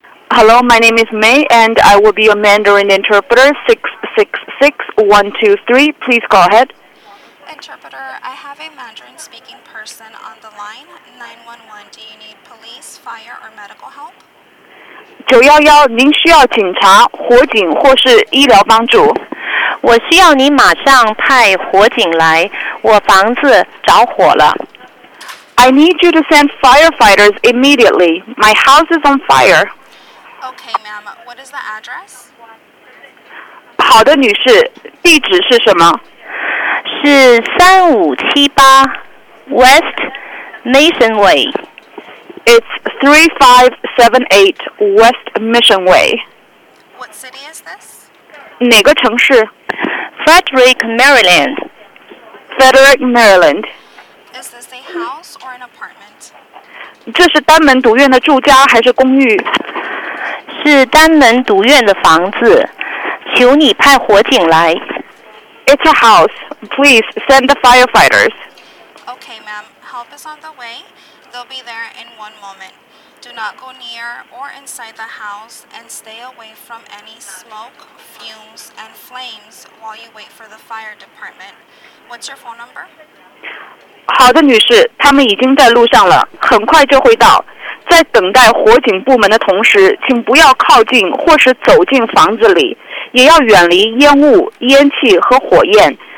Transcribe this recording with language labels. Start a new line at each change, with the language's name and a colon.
English: Hello, my name is May, and I will be your Mandarin interpreter. 666-123. Please go ahead. Interpreter, I have a Mandarin-speaking person on the line. 911, do you need police, fire, or medical help?
Chinese: 911, 您需要警察、火警或是医疗帮助？我需要你马上派火警来，我房子着火了。
English: I need you to send firefighters immediately. My house is on fire. Okay, ma'am. What is the address?
Chinese: 好的，女士，地址是什么？
English: 是3578 West Mission Way. It's 3578 West Mission Way. What city is this?
Chinese: 哪个城市？
English: Frederick, Maryland. Frederick, Maryland. Is this a house or an apartment?
Chinese: 这是单门独院的住家还是公寓？是单门独院的房子。求你派火警来。
English: It's a house. Please send the firefighters. Okay, ma'am. Help is on the way. They'll be there in one moment. Do not go near or inside the house and stay away from any smoke, fumes, and flames while you wait for the fire department. What's your phone number?
Chinese: 好的，女士，他们已经在路上了，很快就会到。在等待火警部门的同时，请不要靠近或是走进房子里，也要远离烟雾、烟气和火焰。